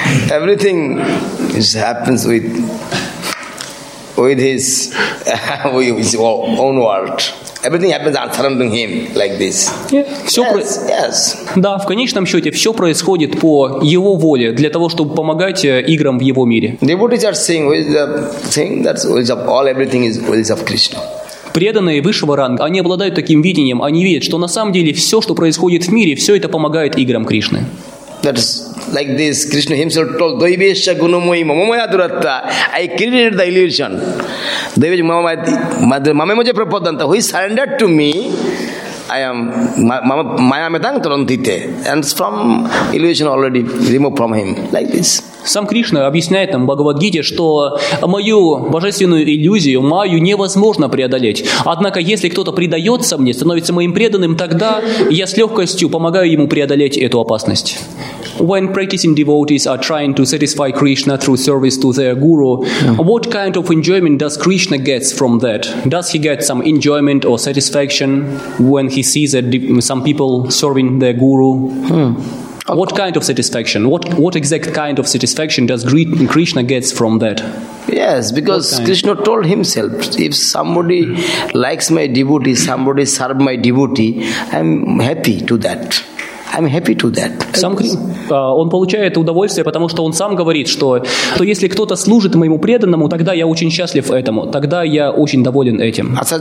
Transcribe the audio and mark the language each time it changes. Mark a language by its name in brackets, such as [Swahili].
[English] Everything is happens with his his own world. Everything happens surrounding him like this. Yes. [Russian] Да, в конечном счете все происходит по его воле для того, чтобы помогать играм в его мире. [English] Devotees are saying, "Which is the thing that's wills of all? Everything is wills of Krishna." [Russian] Преданные высшего ранга, они обладают таким видением, они видят, что на самом деле все, что происходит в мире, все это помогает играм Кришны. [English] That is like this. Krishna himself told, [Sanskrit] "Daivesha gunamoyi mamamaya duratta." [English] I created the illusion. [Sanskrit] Daivesha mamamaya mamamaya prapadanta. [English] Who is surrendered to me? I am [Sanskrit] maya metang tarantite. [English] And from illusion already removed from him. Like this. [Russian] Сам Кришна объясняет нам в Бхагавад-гите, что мою божественную иллюзию, майю, невозможно преодолеть. Однако, если кто-то предается мне, становится моим преданным, тогда я с легкостью помогаю ему преодолеть эту опасность. [English] When practicing devotees are trying to satisfy Krishna through service to their guru, what kind of enjoyment does Krishna get from that? Does he get some enjoyment or satisfaction when he sees that some people serving their guru? What kind of satisfaction? What exact kind of satisfaction does Krishna gets from that? Yes, because Krishna told himself, if somebody likes my devotee, somebody serve my devotee, I'm happy to that. [Russian] Сам Кришна, он получает удовольствие, потому что он сам говорит, что если кто-то служит моему преданному, тогда я очень счастлив этому, тогда я очень доволен этим.